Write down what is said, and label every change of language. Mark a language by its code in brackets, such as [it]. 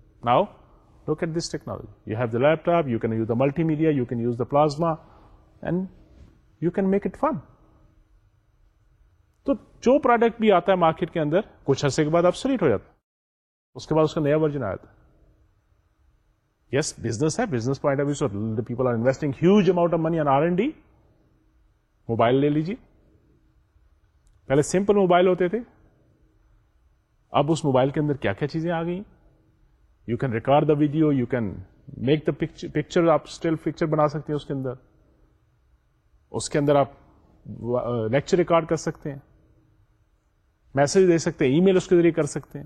[en] Now look at this technology, you have the laptop, you can use the multimedia, you can use the plasma, and you can make it fun. [ur] تو جو product بھی آتا ہے market کے اندر, کچھ عرصے کے بعد آبسولیٹ ہو جاتا, اس کے بعد اس کا نیا ورژن آیا تھا. [en] Yes, business ہے, business point of view, so the people are investing huge amount of money on R&D. [ur] Mobile لے لیجیے, پہلے سمپل موبائل ہوتے تھے, اب اس موبائل کے اندر کیا کیا چیزیں آ گئی. [en] you can record the video, you can make the picture, [ur] آپ اسٹل پکچر بنا سکتے ہیں اس کے اندر, اس کے اندر آپ لیکچر ریکارڈ کر سکتے ہیں, میسج دے سکتے ہیں, ای میل اس کے ذریعے کر سکتے ہیں.